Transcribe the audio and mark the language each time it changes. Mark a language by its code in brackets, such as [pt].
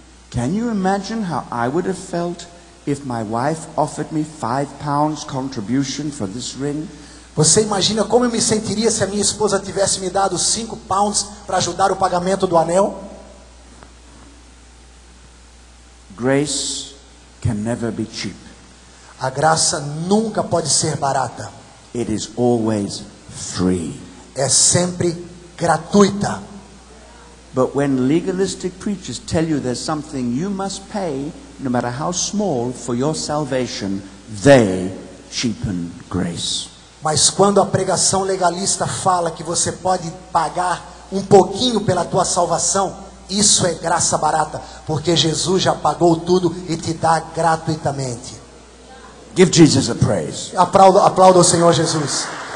[en] Can you imagine how I would have felt if my wife offered me £5 contribution for this ring? [pt] Você imagina como eu me sentiria se a minha esposa tivesse me dado £5 para ajudar o pagamento do anel? [en] Grace can never be cheap. [pt] A graça nunca pode ser barata. [en] It is always free. [pt] É sempre gratuita. [en] But when legalistic preachers tell you there's something you must pay, no matter how small, for your salvation, they cheapen grace. [pt] Mas quando a pregação legalista fala que você pode pagar um pouquinho pela tua salvação, isso é graça barata, porque Jesus já pagou tudo e te dá gratuitamente. [en] Give Jesus a praise. [pt] Aplauda o Senhor Jesus.